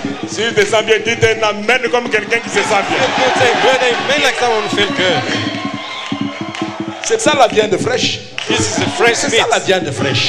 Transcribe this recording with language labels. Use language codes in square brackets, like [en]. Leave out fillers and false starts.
[fr] Si tu te sens bien, dis un amen comme quelqu'un qui se sent bien. [en] Say good amen like someone feel good. [fr] C'est ça la viande fraîche. [en] This is the fresh meat. [fr] C'est ça la viande fraîche.